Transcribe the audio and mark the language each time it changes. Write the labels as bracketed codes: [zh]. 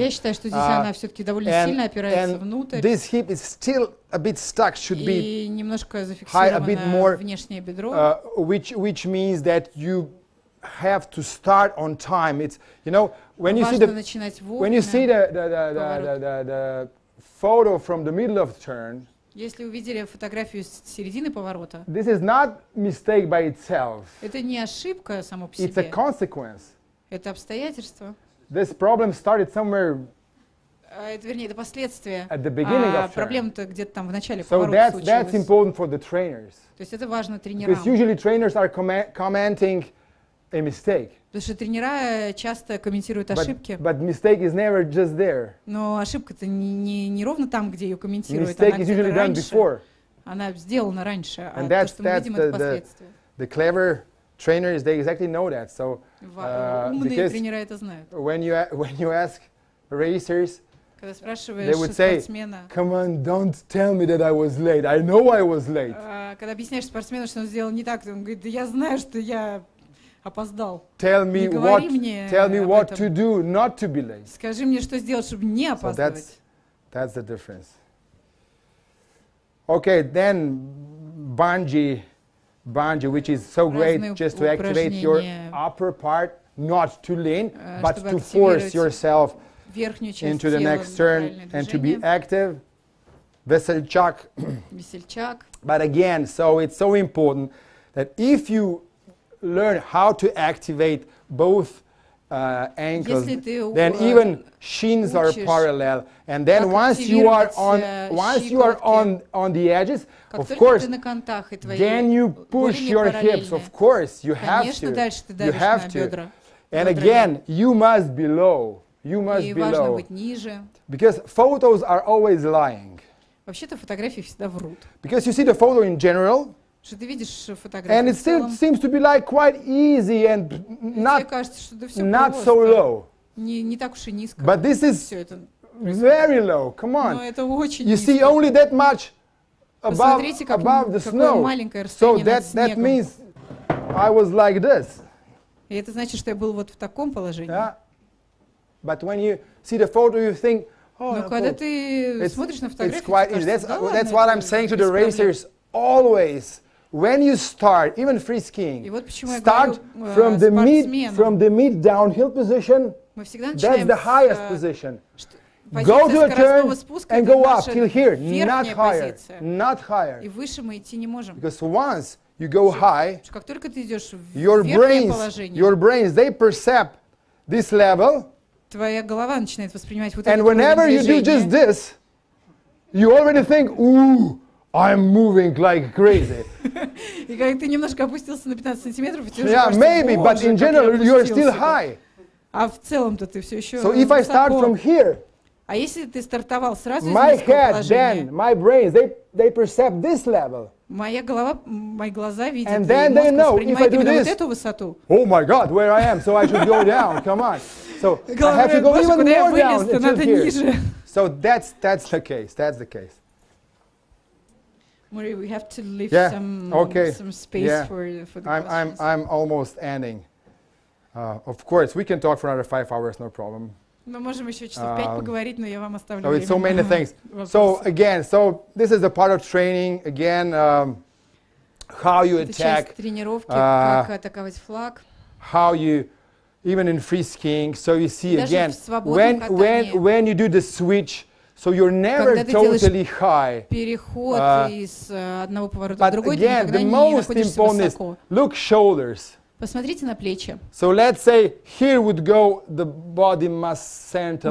[ru] Я считаю, что здесь она все-таки довольно сильно опирается внутрь. [en] This hip is still a bit stuck, should be high, a bit more, внешнее бедро. Which means that you have to start on time. It's you know when you [ru] важно [en] see the when you see the photo from the middle of the turn. [ru] Если увидели фотографию с середины поворота. [en] This is not mistake by itself. [ru] Это не ошибка само по [en] себе. It's a consequence. [ru] Это обстоятельство. [en] This problem started somewhere. [ru] Это, вернее, это последствия. [en] At the beginning of turn. [ru] А проблема-то где-то там в начале поворота случилась. [en] So that's important for the trainers. [ru] То есть это важно тренерам. [en] Because usually trainers are commenting a mistake. [ru] Потому что тренера часто комментируют ошибки. [en] But mistake is never just there. [ru] Но ошибка-то не ровно там, где ее комментируют. [en] Mistake is usually done before. [ru] Она сделана раньше. [en] And [ru] а то, что мы видим, это последствия. [en] The clever trainers, they exactly know that. So [ru] умные тренера это знают. [en] When you ask racers, [ru] Когда спрашиваешь спортсмена, [en] come on, don't tell me that I was late. I know I was late. [ru] Когда объясняешь спортсмену, что он сделал не так, он говорит, да я знаю, что я опоздал. [en] Tell me what. Tell me what to do not to be late. [ru] Скажи мне, что сделать, чтобы не опаздывать. [en] That's the difference. Okay, then bungee, which is so great, just to activate your upper part, not to lean, but to force yourself into the next turn and to be active. [ru] Весельчак. [en] But again, so it's so important that if you learn how to activate both ankles, then even shins are parallel. And then once you are on, once you are on the edges, of course, then you push your hips. Of course, you have to. You have to. And again, you must be low. You must be low. Because photos are always lying. [ru] Вообще-то фотографии всегда врут. [en] Because you see the photo in general. [ru] Что ты видишь фотографии? [en] And it still seems to be like quite easy and not, [ru] кажется, что, да, [en] not so low. [ru] Не так уж и низко. [en] But this is very low. Come on. [ru] Но это очень [en] you [ru] низко. [en] See only that much above the snow. So that means I was like this. [ru] И это значит, что я был вот в таком положении. [en] Yeah. But when you see the photo, you think, oh, [ru] но когда ты смотришь на фотографии, [en] it's quite easy. [ru] Кажется, да, [en] that's what I'm saying to the racers. Always, when you start, even free skiing, [ru] вот [en] start [ru] говорю, [en] from the mid, downhill position. That's the highest position. Go to a turn and go up till here, not higher, [ru] И выше мы идти не можем. [en] Because once you go high, [ru] как только ты идешь в верхнее положение, [en] your brains they perceive this level. [ru] Твоя голова начинает воспринимать вот это. [en] And whenever you do just this, you already think, ooh. I'm moving like crazy. [ru] И как ты немножко опустился на 15 сантиметров, ты уже [en] Yeah, maybe, but in general you are still high. [ru] А в целом-то ты все еще [en] So if I start from here. [ru] А если ты стартовал сразу из низкого [en] положения? My head, then, my brain, they perceive this level. [ru] Моя голова, мои глаза видят, [en] and then they know if I do this. [ru] Вот [en] oh my God, where I am, so I should go down. Come on. So [ru] голова [en] I have to go [ru] Боже, [en] even more [ru] вылез, [en] down [ru] надо [en] here. [ru] Ниже. [en] So that's the case. That's the case. We have to leave yeah. some space yeah. for the questions. I'm almost ending. Of course, we can talk for another 5 hours, no problem. [ru] Мы можем еще часов пять поговорить, но я вам оставлю. [en] Oh, it's so many things. So again, so this is a part of training. Again, how you attack? [ru] Это часть тренировки, как атаковать флаг. [en] How you even in free skiing? So you see [ru] даже [en] again when you do the switch. So you're never totally high. [ru] Переход из одного поворота [en] but [ru] в другой, [en] again, [ru] ты никогда не находишься высоко. [en] Look shoulders. [ru] Посмотрите на плечи. [en] So let's say here would go the body mass center